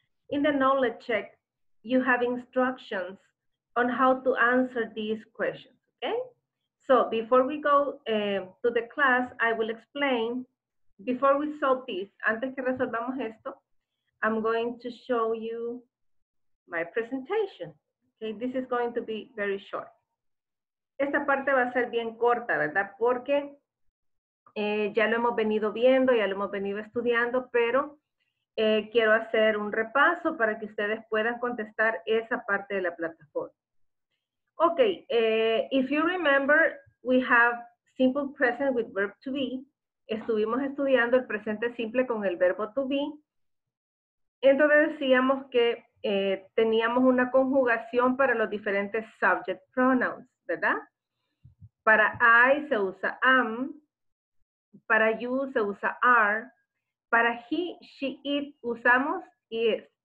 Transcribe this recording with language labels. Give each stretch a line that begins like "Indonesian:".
English: In the knowledge check, you have instructions on how to answer these questions, okay? So before we go to the class, I will explain. Before we solve this,
Spanish: antes que resolvamos esto,
English: I'm going to show you my presentation. Okay, this is going to be very short.
Spanish: Esta parte va a ser bien corta, ¿verdad? Porque ya lo hemos venido viendo, ya lo hemos venido estudiando, pero quiero hacer un repaso para que ustedes puedan contestar esa parte de la plataforma.
English: Okay, if you remember, we have simple present with verb to be.
Spanish: Estuvimos estudiando el presente simple con el verbo to be. Entonces decíamos que teníamos una conjugación para los diferentes subject pronouns, ¿verdad? Para I se usa am, para you se usa are, para he, she, it usamos is.